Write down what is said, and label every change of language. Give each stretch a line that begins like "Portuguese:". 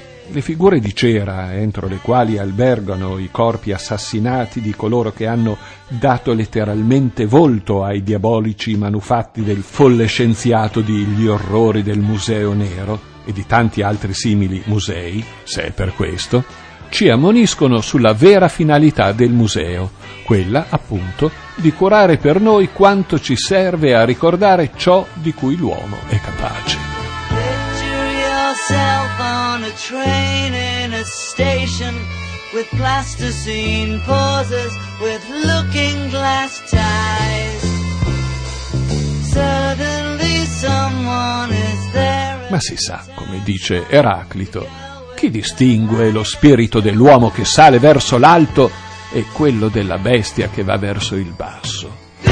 Italian: Le figure di cera entro le quali albergano i corpi assassinati di coloro che hanno dato letteralmente volto ai diabolici manufatti del folle scienziato di Gli Orrori del Museo Nero e di tanti altri simili musei, se è per questo, ci ammoniscono sulla vera finalità del museo, quella, appunto, di curare per noi quanto ci serve a ricordare ciò di cui l'uomo è capace.
English: Picture yourself on a train in a station with plasticine pauses with looking glass ties. Suddenly someone is there.
Italian: Ma si sa, come dice Eraclito, chi distingue lo spirito dell'uomo che sale verso l'alto e quello della bestia che va verso il basso?